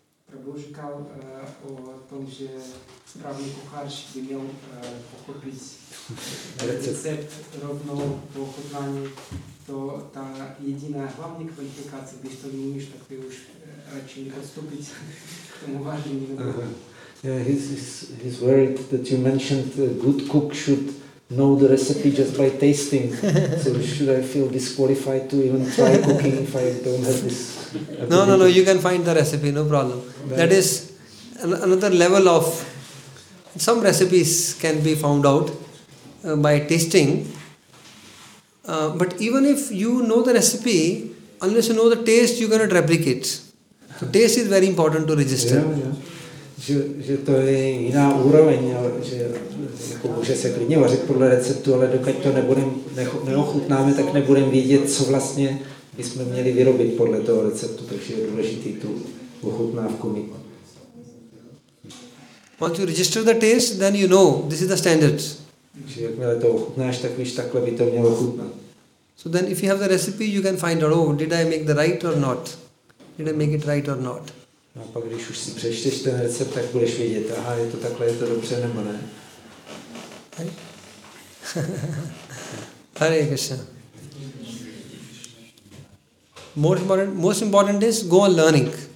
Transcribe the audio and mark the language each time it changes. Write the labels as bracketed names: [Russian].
[Czech] Prabhu říkal o tom, že správný kuchař by měl pochopit recept rovnou po ochutnání, to ta jediná hlavní kvalifikace, když to neumíš, tak ty už radši odstoupit k tomu vážení. [English] Yeah, he's worried that you mentioned a good cook should know the recipe just by tasting. So should I feel disqualified to even try cooking if I don't have this ability? No, you can find the recipe, no problem. That is another level of... Some recipes can be found out by tasting. But even if you know the recipe, unless you know the taste, you cannot replicate. So taste is very important to register. Yeah, yeah. [Czech] Že to je jiná úroveň, že jako může se klidně vařit podle receptu, ale dokud to neochutnáme, tak nebudem vědět, co vlastně bychom měli vyrobit podle toho receptu, takže je důležitý tu ochutnávku mít. [English] Once you register the taste, then you know, this is the standard. [Czech] Takže jakmile to ochutnáš, tak víš, takhle by to mělo chutnat. [English] So then if you have the recipe, you can find out, did I make the right or not? Did I make it right or not? [Czech] A pak, když už si přečteš ten recept, tak budeš vědět, aha, je to takhle, je to dobře, nebo ne. [English] Hare Krishna. Most important is go on learning.